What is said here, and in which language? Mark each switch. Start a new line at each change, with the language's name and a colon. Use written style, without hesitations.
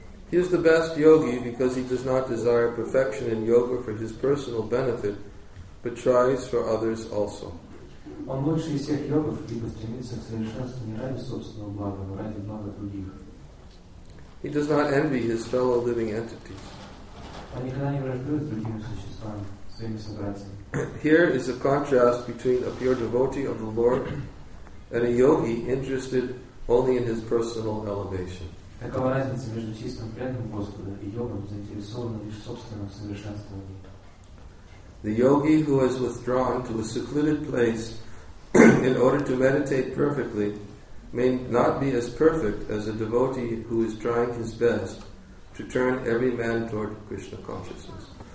English: He is the best yogi because he does not desire perfection in yoga for his personal benefit, but tries for others also.
Russian: Он лучше из всех йогов, ибо стремится к совершенству не ради собственного блага, но ради блага других.
English: He does not envy his fellow living entities.
Russian: Он никогда не враждует с другими существами, своими собратьями.
English: Here is a contrast between a pure devotee of the Lord and a yogi interested only in his personal elevation.
Russian: Такова разница между чистым преданным Господа и йогом, заинтересованным лишь в собственном совершенствовании.
English: The yogi who has withdrawn to a secluded place in order to meditate perfectly may not be as perfect as a devotee who is trying his best to turn every man toward Krishna consciousness.